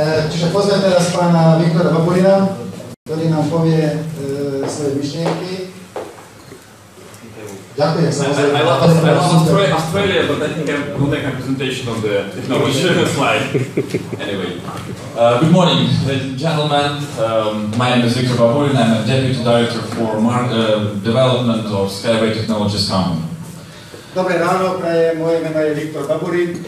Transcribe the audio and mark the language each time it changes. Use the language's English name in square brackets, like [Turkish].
[Slovak] Čiže pozvem teraz pana Viktora Baburina, ktorý nám povie svoje myšlienky. Ďakujem, samozrejme. [English] I love Australia, but I think I will make a presentation on the technology slide. Anyway. Good morning, ladies and gentlemen. My name is Viktor Baburin. I'm a deputy director for development of Skyway Technologies Company. [Czech] Dobré ráno, praje, moje jméno je Viktor Baburin.